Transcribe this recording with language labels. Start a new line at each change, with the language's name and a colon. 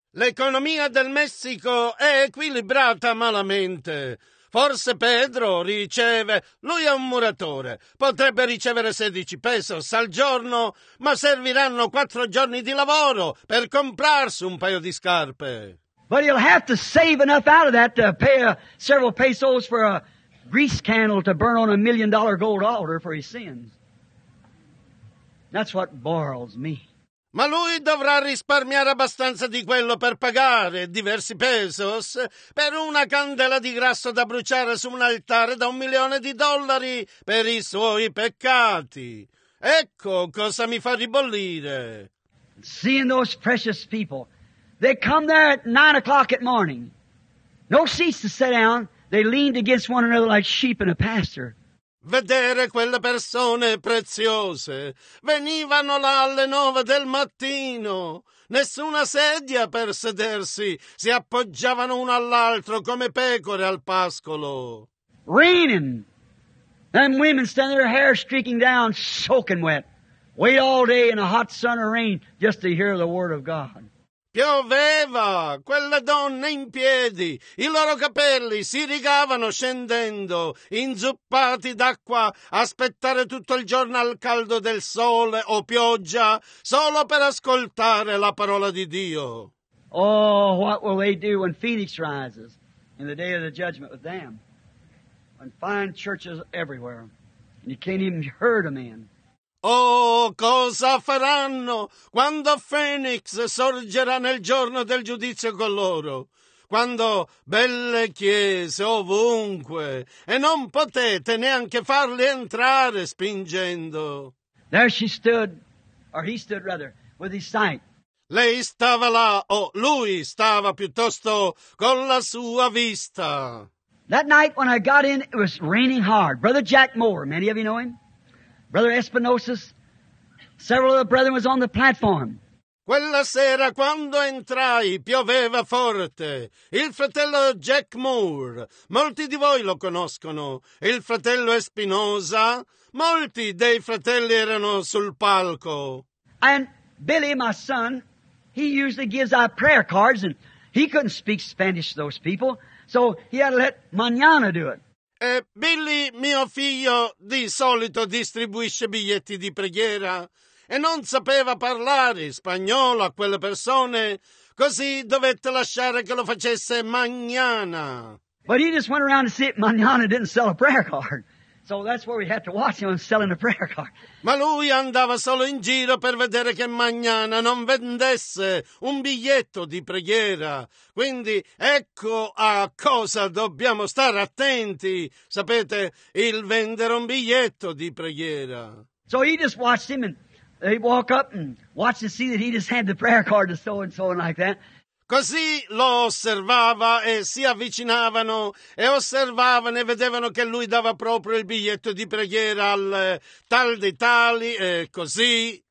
Italian: L'economia del Messico è equilibrata malamente. Forse Pedro riceve, lui è un muratore, potrebbe ricevere 16 pesos al giorno, ma serviranno 4 giorni di lavoro per comprarsi un paio di scarpe.
English: But he'll have to save enough out of that to pay several pesos for a grease candle to burn on $1 million gold altar for his sins. That's what boils me.
Italian: Ma lui dovrà risparmiare abbastanza di quello per pagare diversi pesos per una candela di grasso da bruciare su un altare da $1 million per i suoi peccati. Ecco cosa mi fa ribollire.
English: Seeing those precious people, they come there at 9 o'clock at morning. No seats to sit down. They leaned against one another like sheep in a pasture.
Italian: Vedere quelle persone preziose. Venivano là alle 9 del mattino. Nessuna sedia per sedersi. Si appoggiavano uno all'altro come pecore al pascolo.
English: Raining. Them women standing there, hair streaking down, soaking wet. Wait all day in a hot sun or rain just to hear the word of God.
Italian: Pioveva, quelle donne in piedi, i loro capelli si rigavano scendendo, inzuppati d'acqua, aspettare tutto il giorno al caldo del sole o pioggia, solo per ascoltare la parola di Dio.
English: Oh, what will they do when Phoenix rises in the day of the judgment with them? When fine churches everywhere, and you can't even hear them in.
Italian: Oh, cosa faranno quando Phoenix sorgerà nel giorno del giudizio con loro? Quando belle chiese ovunque, e non potete neanche farli entrare spingendo.
English: There she stood, or he stood rather, with his sight.
Italian: Lei stava là, o lui stava piuttosto con la sua vista.
English: That night when I got in, it was raining hard. Brother Jack Moore, many of you know him? Brother Espinosa, several of the brethren was on the platform.
Italian: Quella sera quando entrai pioveva forte. Il fratello Jack Moore, molti di voi lo conoscono. Il fratello Espinosa, molti dei fratelli erano sul palco.
English: And Billy, my son, he usually gives out prayer cards and he couldn't speak Spanish to those people, so he had to let Manana do it.
Italian: E Billy, mio figlio, di solito distribuisce biglietti di preghiera e non sapeva parlare spagnolo a quelle persone, così dovette lasciare che lo facesse Mañana.
English: But he just went around to see if Mañana didn't sell a prayer card. So that's where we had to watch him selling a prayer card.
Italian: Ma lui andava solo in giro per vedere che Mañana non vendesse un biglietto di preghiera. Quindi ecco a cosa dobbiamo stare attenti. Sapete, il vendere un biglietto di preghiera. So he just watched him and he'd walk up and watch to see that he just had the prayer card to so-and-so and like that. Così lo osservava e si avvicinavano e osservavano e vedevano che lui dava proprio il biglietto di preghiera al tal dei tali e così.